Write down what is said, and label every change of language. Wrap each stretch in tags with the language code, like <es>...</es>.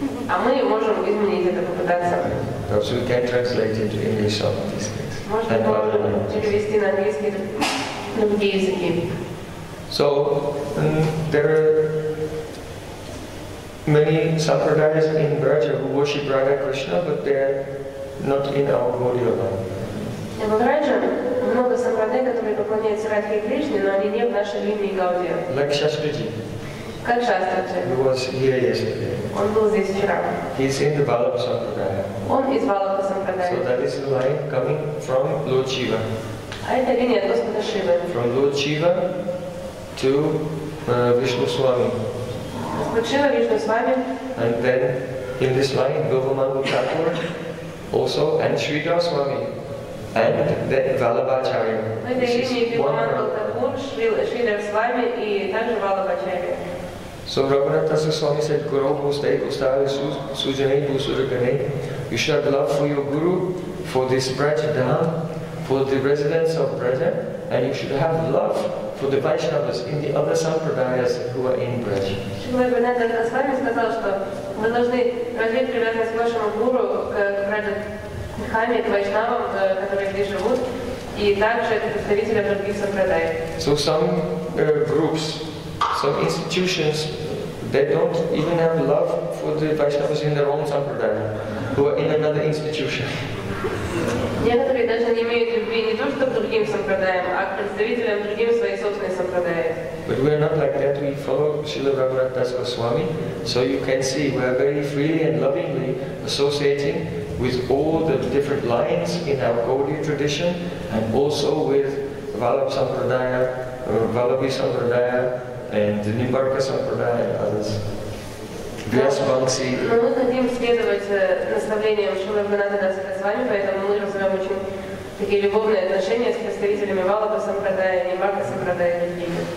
<ru>А мы можем изменить это, попытаться.</ru> <en>Perhaps we can translate into English some of these things.</en> <ru>Можно перевести на английский другие языки.</ru> <en>So there are many sampradayas in Braja who worship Radha Krishna, but they're not in our Gaudiya land.</en> <ru>В Браже много сампрадай, которые поклоняются Радхе Кришне, но они не в нашей линии Гаудия.</ru> <en>Like Shastriji.</en> <ru>Как</ru> <en>Шастриджи? He was here yesterday.</en> <ru>Он был здесь вчера.</ru> <en>He's in the Valapa Sampradaya.</en> <ru>Он из Валапа Сампрадая.</ru> <en>So that is the line coming from Lord Shiva.</en> <ru>А это линия Господа Шивы.</ru> <en>From Lord Shiva to Vishnu Swami.</en> <ru>Господь Шива, Вишну Свами.</ru> <en>And then in this line, Govamangal Thakur also and Sridhar Swami. And then Valabhacharya.</en> <ru>Это линия Govamangal Thakur, Шридхар Свами и также Валабхачарья.</ru> <en>So Raghunath Dasa Swami said,</en> <sa>Guru Bhusthe Gustave Sujane Bhusurakane,</sa> <en>you should have love for your Guru, for this Braj Dham, for the residents of Braja, and you should have love for the Vaishnavas in the other Sampradayas who are in Braj. Shri Raghunath Dasa Swami said that you should have love for your Guru, for the Braja Dham, for the Vaishnavas who are in Braja.</en> <ru>и также представителям других сопродай.</ru> <en>So some groups, some institutions, they don't even have love for the Vaishnavas in their own sampradaya, who are in another institution.</en> <ru>Некоторые даже не имеют любви не то, что к другим сампрадаям, а к представителям другим своей собственной сампрадаи.</ru> <en>But we are not like that. We follow Srila Raghunathdas Goswami. So you can see we are very freely and lovingly associating with all the different lines in our Gaudiya tradition and also with Vallabh Sampradaya, Vallabhi Sampradaya, and Nimbarka Sampradaya and others. Yes, Bansi.</en> <ru>Мы хотим следовать наставлениям Шрилы Раганатхадас Госвами, поэтому мы развиваем очень такие любовные отношения с представителями Валлабха Сампрадая, Нимбарка Сампрадая и другими.</ru>